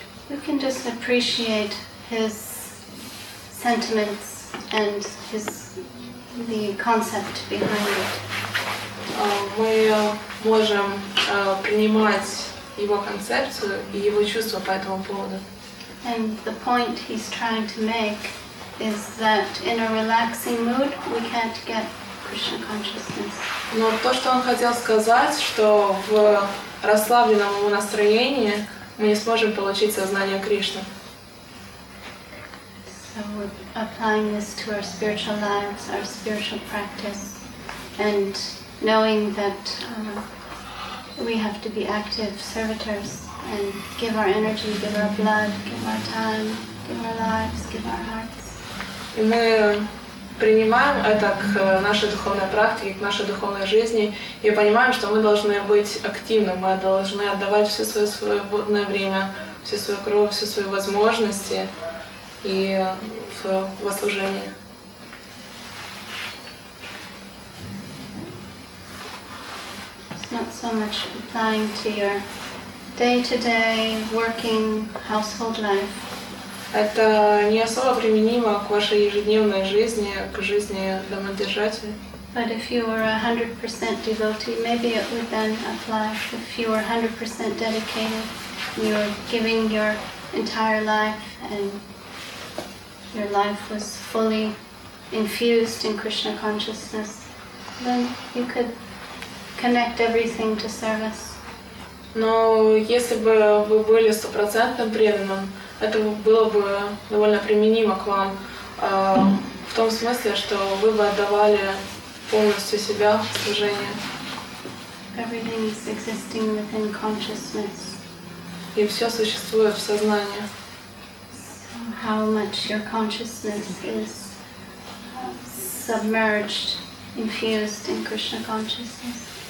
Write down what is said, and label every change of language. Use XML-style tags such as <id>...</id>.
<en>You can just appreciate his sentiments and the concept behind it.</en> <ru>Мы можем принимать его концепцию и его чувства по этому поводу.</ru> <en>And the point he's trying to make is that in a relaxing mood we can't get Krishna consciousness.</en> <ru>Но то, что он хотел сказать, что в расслабленном его настроении мы не сможем получить сознание Кришны.</ru> <en>So we're applying this to our spiritual lives, our spiritual practice, and knowing that we have to be active servitors and give our energy, give our blood, give our time, give our lives, give our hearts.</en> <ru>И мы принимаем это к нашей духовной практике, к нашей духовной жизни, и понимаем, что мы должны быть активны, мы должны отдавать все свое свободное время, всю свою кровь, все свои возможности и во служение.</ru> <en>Not so much applying to your day-to-day working household life.</en> <ru>Это не особо применимо к вашей ежедневной жизни, к жизни домодержателя.</ru> <en>But if you were 100% devotee, maybe it would then apply. If you were 100% dedicated, you were giving your entire life, and your life was fully infused in Krishna consciousness, then you could connect everything to service.</en> <ru>Но если бы вы были 100% преданным, это было бы довольно применимо к вам, в том смысле, что вы бы отдавали полностью себя в служение.</ru> <en>Everything is existing within consciousness.</en> <ru>И все существует в сознании.</ru> <en>How much your consciousness is submerged, infused in Krishna consciousness.</en>